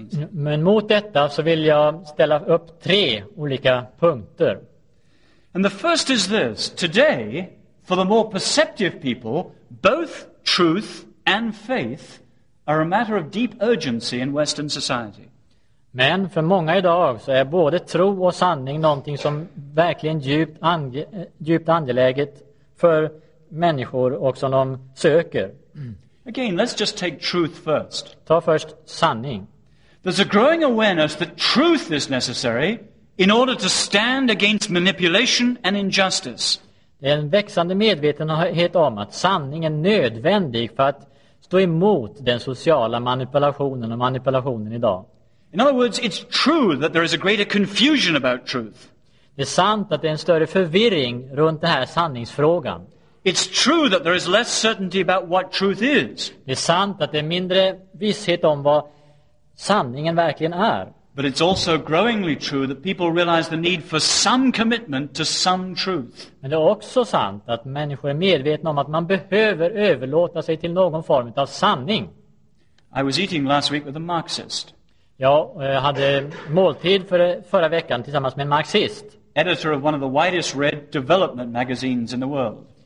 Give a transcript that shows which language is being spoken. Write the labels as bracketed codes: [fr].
[sv] Men mot detta så vill jag ställa upp tre olika punkter. [en] And the first is this: today, for the more perceptive people, both truth and faith are a matter of deep urgency in Western society. [sv] Men för många idag så är både tro och sanning någonting som verkligen djupt angeläget för människor och som de söker. [en] Again, let's just take truth first. [sv] Ta först sanning. [en] There's a growing awareness that truth is necessary in order to stand against manipulation and injustice. [sv] Det är en växande medvetenhet om att sanning är nödvändig för att stå emot den sociala manipulationen och manipulationen idag. [en] In other words, it's true that there is a greater confusion about truth. [sv] Det är sant att det är en större förvirring runt den här sanningsfrågan. [en] It's true that there is less certainty about what truth is. [sv] Det är sant att det är mindre visshet om vad sanningen verkligen är. [en] But it's also growingly true that people realize the need for some commitment to some truth. [sv] Men det är också sant att människor är medvetna om att man behöver överlåta sig till någon form av sanning. [en] I was eating last week with a Marxist. [sv] Ja, jag hade måltid förra veckan tillsammans med en marxist. [en] Editor of one of the widest read development magazines in the world.